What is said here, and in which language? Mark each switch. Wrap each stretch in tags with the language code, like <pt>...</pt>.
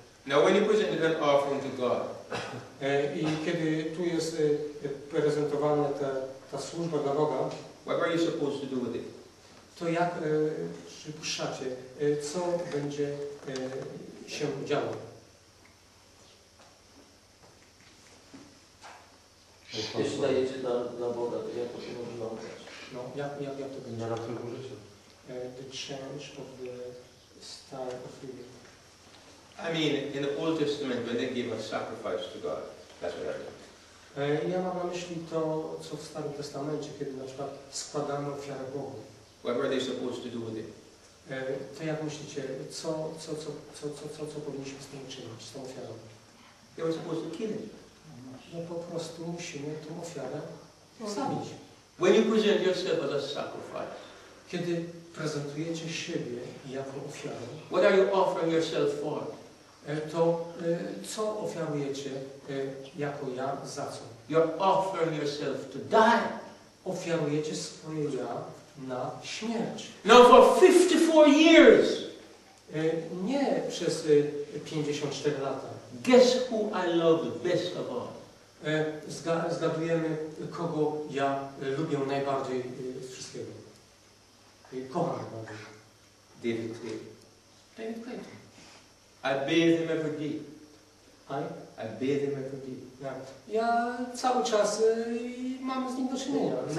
<en>Now when you present that offering to God,</en> <pl>i kiedy tu jest prezentowana ta służba dla Boga,</pl> <en>what are you supposed to do with it?</en> <pl>To jak przypuszczacie, co będzie się działo? Jeśli dajecie dla Boga, to jak to się można oddać? No, jak to będzie? Na ratunku życia.</pl> <en>The change of the style of living. I mean, in the Old Testament, when they gave a sacrifice to God, that's what I mean.</en> <pl>Ja mam na myśli to, co w Starym Testamencie, kiedy na przykład składano ofiarę Bogu.</pl> <en>What were they supposed to do with it?</en> <pl>To jak myślicie, co powinniśmy z tym czynić, z tą ofiarą?</pl> <en>They were supposed to kill it.</en> <pl>No po prostu musimy tą ofiarę zabić.</pl> <en>When you present yourself as a sacrifice,</en> <pl>kiedy prezentujecie siebie jako ofiarę,</pl> <en>what are you offering yourself for?</en> <pl>To co ofiarujecie jako ja, za co?</pl> <en>You're offering yourself to die.</en> <pl>Ofiarujecie swoje ja na śmierć.</pl> <en>Now for 54 years.</en> <pl>Nie przez 54 lata.</pl> <en>Guess who I love best of all.</en> <pl>Zgadujemy, kogo ja lubię najbardziej z wszystkiego. Kocham najbardziej.</pl> <en>David Clayton. David Clayton. I bathe him every day. I bathe him every day.</en> <pl>Ja cały czas mam z nim do czynienia.</pl>